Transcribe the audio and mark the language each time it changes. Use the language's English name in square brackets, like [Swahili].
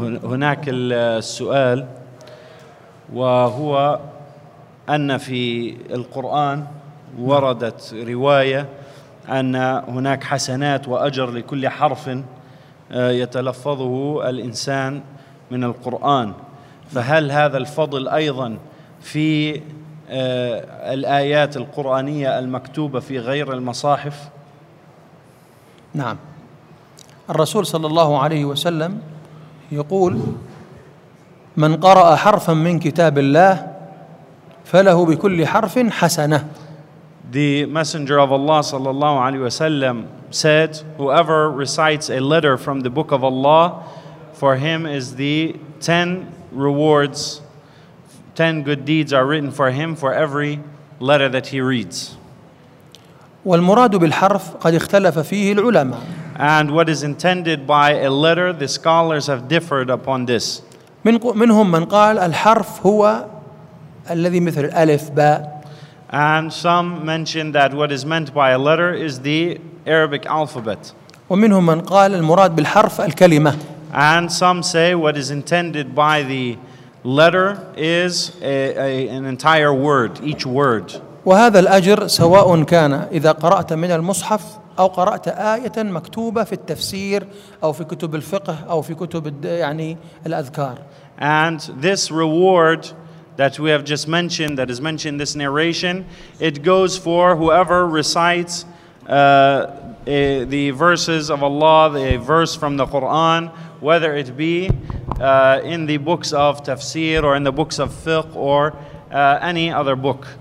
[Arabic] هناك السؤال وهو أن في القرآن وردت رواية أن هناك حسنات وأجر لكل حرف يتلفظه الإنسان من القرآن فهل هذا الفضل أيضا في الآيات القرآنية المكتوبة في غير المصاحف؟ نعم الرسول صلى الله عليه وسلم يقول من قرأ حرفا من كتاب الله فله بكل حرف حسنة. [English] The Messenger of Allah [Arabic] sallallahu alaihi wasallam [English] said, whoever recites a letter from the Book of Allah, for him is the 10 rewards, 10 good deeds are written for him for every letter that he reads. [Arabic] والمراد بالحرف قد اختلف فيه العلماء. [English] And what is intended by a letter, the scholars have differed upon this. [Arabic] منهم من قال الحرف هو الذي مثل الألف باء. [English] And some mention that what is meant by a letter is the Arabic alphabet. [Arabic] ومنهم من قال المراد بالحرف الكلمة. [English] And some say what is intended by the letter is an entire word, each word. [Arabic] وهذا الأجر سواء كان إذا قرأت من المصحف أو قرأت آية مكتوبة في التفسير أو في كتب الفقه أو في كتب يعني الأذكار. [English] And this reward that we have just mentioned, that is mentioned in this narration, it goes for whoever recites the verses of Allah, the verse from the Quran, whether it be in the books of tafsir or in the books of fiqh or any other book.